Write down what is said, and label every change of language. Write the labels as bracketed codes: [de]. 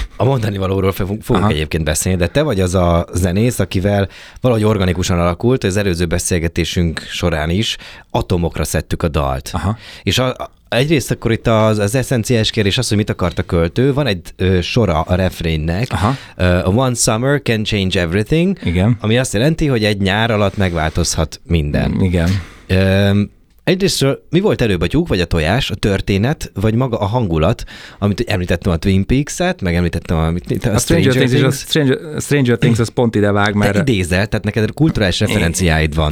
[hu] A mondani valóról fogunk egyébként beszélni, de te vagy az a zenész, akivel valahogy organikusan alakult, az előző beszélgetésünk során is atomokra szedtük a dalt. Aha. És egyrészt akkor itt az eszenciális kérdés az, hogy mit akart a költő. Van egy sora a refrénnek. [en] One summer can change everything. [hu] Igen. Ami azt jelenti, hogy egy nyár alatt megváltozhat minden. Igen. Egyrészt mi volt előbb, a tyúk, vagy a tojás, a történet, vagy maga a hangulat, amit említettem, a Twin Peaks-et, meg említettem, a Stranger Things az pont ide vág, mert... Te idézel, tehát neked kulturális referenciáid vannak.